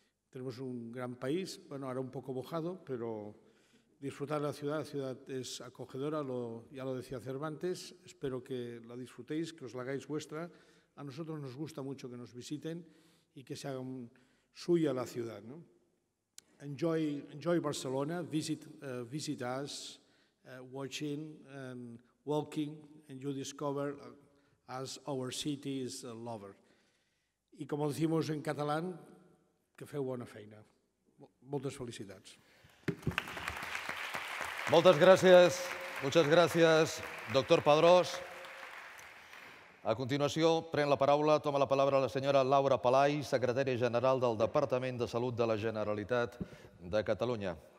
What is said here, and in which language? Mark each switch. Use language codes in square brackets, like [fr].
[es] Tenemos un gran país, bueno, ahora un poco mojado, pero disfrutad la ciudad es acogedora, ya lo decía Cervantes. Espero que la disfrutéis, que os la hagáis vuestra. A nosotros nos gusta mucho que nos visiten y que se haga suya la ciudad, ¿no? [en] Enjoy Barcelona, visit us, watching and walking, and you discover as our city is a lover. [ca] I com diem en català, que feu bona feina. Moltes felicitats. Moltes gràcies. Moltes gràcies, doctor Padrós. A continuació, toma la paraula la senyora Laura Palai, secretària general del Departament de Salut de la Generalitat de Catalunya.